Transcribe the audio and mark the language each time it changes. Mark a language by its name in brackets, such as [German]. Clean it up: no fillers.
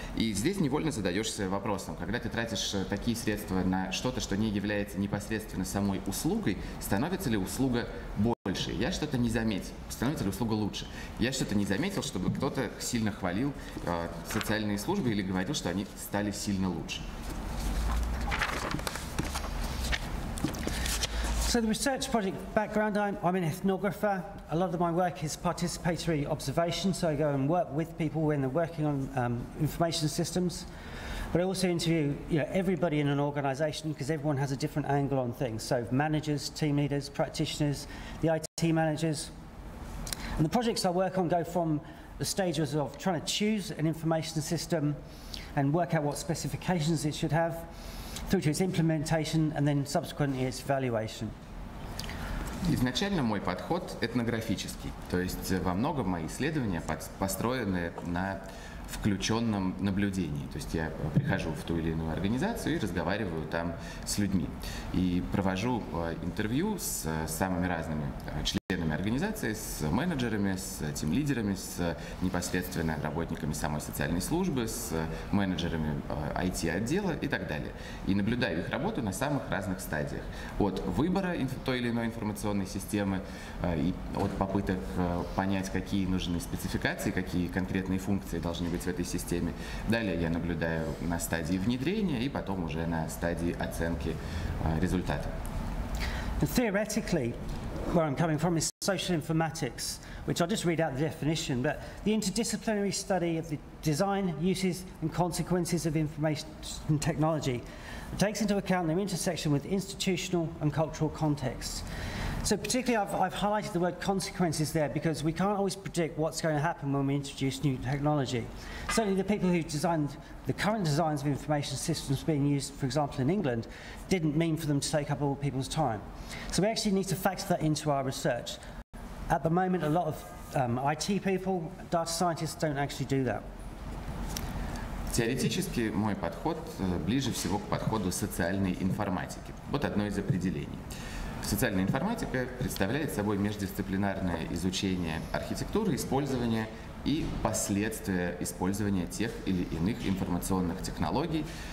[Russian] И здесь невольно задаешься вопросом, когда ты тратишь такие средства на что-то, что не является непосредственно самой услугой, становится ли услуга больше? Я что-то не заметил. Становится ли услуга лучше? Я что-то не заметил, чтобы кто-то сильно хвалил социальные службы или говорил, что они стали сильно лучше. [English] So the research project background, I'm an ethnographer. A lot of my work is participatory observation, so I go and work with people when they're working on information systems. But I also interview everybody in an organization because everyone has a different angle on things. So managers, team leaders, practitioners, the IT managers. And the projects I work on go from the stages of trying to choose an information system and work out what specifications it should have, through to its implementation, and then subsequently its evaluation. [Russian] Изначально мой подход этнографический, то есть во многом мои исследования построены на включенном наблюдении. То есть я прихожу в ту или иную организацию и разговариваю там с людьми. И провожу интервью с самыми разными членами организации, с менеджерами, с тим-лидерами, с непосредственно работниками самой социальной службы, с менеджерами IT-отдела и так далее. И наблюдаю их работу на самых разных стадиях. От выбора той или иной информационной системы, и от попыток понять, какие нужны спецификации, какие конкретные функции должны быть в этой системе. Далее я наблюдаю на стадии внедрения и потом уже на стадии оценки результата. [English] Theoretically, where I'm coming from is social informatics, which I'll just read out the definition, but the interdisciplinary study of the design, uses and consequences of information technology takes into account their intersection with institutional and cultural contexts. So particularly I've highlighted the word consequences there because we can't always predict what's going to happen when we introduce new technology. Certainly the people who designed the current designs of information systems being used, for example, in England, didn't mean for them to take up all people's time. So we actually need to factor that into our research. At the moment, a lot of IT people, data scientists, don't actually do that. [Russian] Теоретически мой подход ближе всего к подходу социальной информатики. Вот одно из определений. Социальная информатика представляет собой междисциплинарное изучение архитектуры, использования и последствия использования тех или иных информационных технологий.